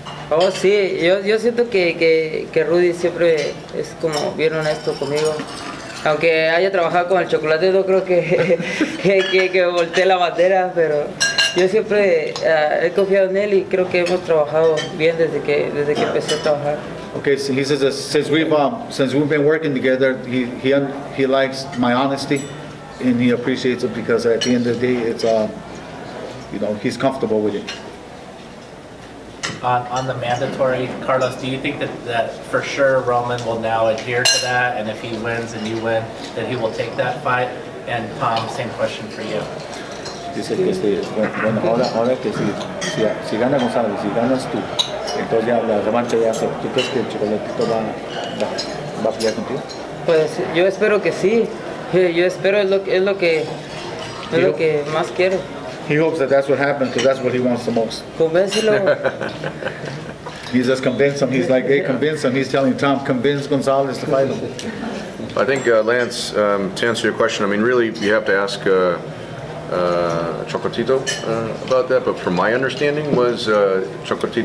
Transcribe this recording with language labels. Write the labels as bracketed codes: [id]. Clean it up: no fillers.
[es] Oh, sí, yo siento que Rudy siempre es como bien honesto conmigo. Aunque haya trabajado con el chocolate, yo creo que volteé la bandera, pero yo siempre he confiado en él y creo que hemos trabajado bien desde que empecé a trabajar. [en] Okay, so he says since we've been working together, he likes my honesty, and he appreciates it because at the end of the day, it's you know, he's comfortable with it. On the mandatory, Carlos, do you think that for sure Roman will now adhere to that, and if he wins and you win, that he will take that fight? And Tom, same question for you. [es] Dice que sí, bueno, ahora que sí, si gana Gonzalo, si ganas tú, entonces ya la revancha ya se, ¿tú crees que el Chocolatito va a pelear contigo? Pues yo espero que sí, yo espero, es lo que más quiero. [en] He hopes that that's what happens, because that's what he wants the most. [es] Convéncelo. [en] He says convince him, he's like, hey, convince him, he's telling Tom, convince Gonzalez to fight him. I think Lance, to answer your question, I mean, really, you have to ask Chocolatito about that, but from my understanding was Chocolatito.